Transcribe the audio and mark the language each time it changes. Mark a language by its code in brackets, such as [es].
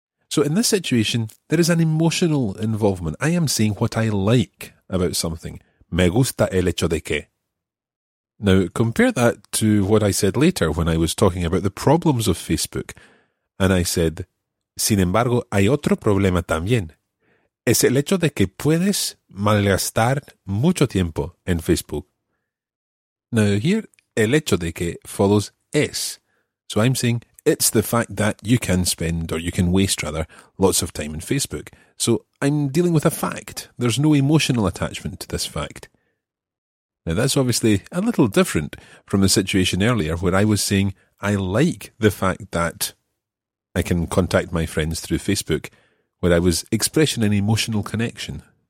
[en] So in this situation, there is an emotional involvement. I am saying what I like about something. [es] Me gusta el hecho de que. [en] Now, compare that to what I said later when I was talking about the problems of Facebook. And I said, [es] sin embargo, hay otro problema también. Es el hecho de que puedes malgastar mucho tiempo en Facebook. [en] Now, here, [es] el hecho de que [en] follows es. So I'm saying, it's the fact that you can spend, or you can waste, rather, lots of time in Facebook. So I'm dealing with a fact. There's no emotional attachment to this fact. Now, that's obviously a little different from the situation earlier where I was saying, I like the fact that I can contact my friends through Facebook, where I was expressing an emotional connection.